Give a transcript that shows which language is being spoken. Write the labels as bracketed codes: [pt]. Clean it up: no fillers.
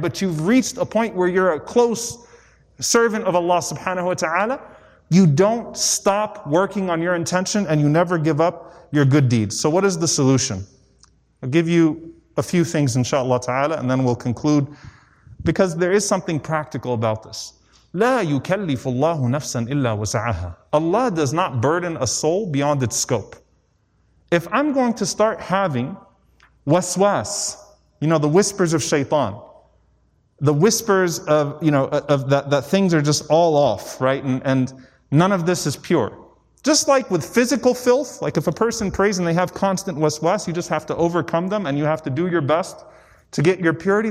[en] But you've reached a point where you're a close servant of Allah subhanahu wa ta'ala. You don't stop working on your intention and you never give up your good deeds. So what is the solution? I'll give you a few things, inshallah ta'ala, and then we'll conclude, because there is something practical about this. [ar] لا يكلف الله نفسا إلا وسعها. [en] Allah does not burden a soul beyond its scope. If I'm going to start having waswas, you know, the whispers of shaitan, the whispers of, you know, of that things are just all off, right? And none of this is pure. Just like with physical filth, like if a person prays and they have constant waswas, you just have to overcome them and you have to do your best to get your purity.